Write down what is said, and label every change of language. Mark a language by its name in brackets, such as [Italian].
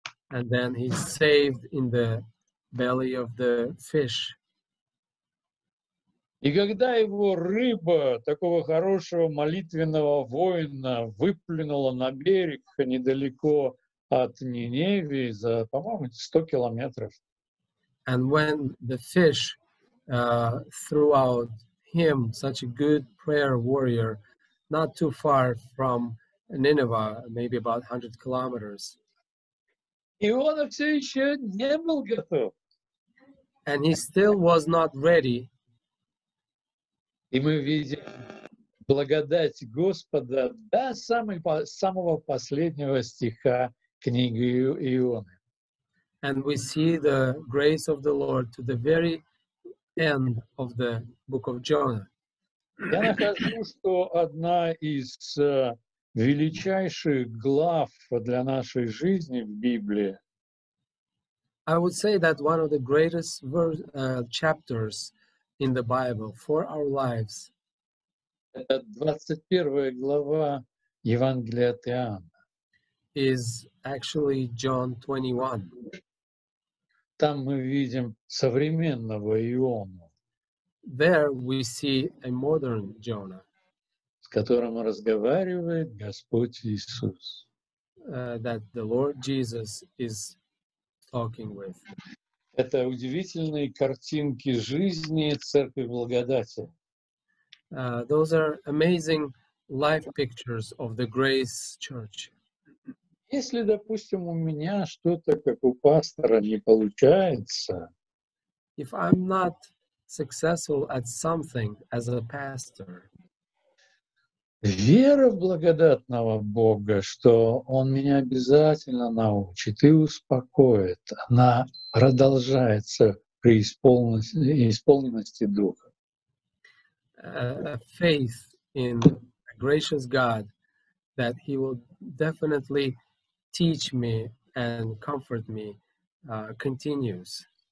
[English] and then he is saved in the belly of the fish, [Russian] и когда его рыба, такого хорошего молитвенного воина, выплюнула на берег недалеко от Ниневии за, по-моему, 100 километров. [English] And when the fish threw out him, such a good prayer warrior, not too far from Nineveh, maybe about 100 kilometers. [Russian] Иона все еще не был готов. [English] And he still was not ready. [Russian] И мы видим благодать Господа до самого последнего стиха книги Ионы. [English] And we see the grace of the Lord to the very end of the book of Jonah. [Russian] Я нахожу, что одна из величайших глав для нашей жизни в Библии. [English] I would say that one of the greatest chapters in the Bible for our lives. [Russian] Это 21 глава Евангелия от Иоанна. [English] Is actually John 21. [Russian] Там мы видим современного Иону. [English] There we see a modern Jonah. [Russian] С которым разговаривает Господь Иисус. [English] That the Lord Jesus is talking with. [Russian] Это удивительные картинки жизни Церкви Благодати. [English] Those are amazing life pictures of the Grace Church. [Russian] Если, допустим, у меня что-то, как у пастора, не получается, [English] if I'm not successful at something as a pastor, [Russian] вера в благодатного Бога, что Он меня обязательно научит и успокоит, она продолжается при исполненности Духа. [English] A faith in a gracious God that He will definitely teach me and comfort me continues.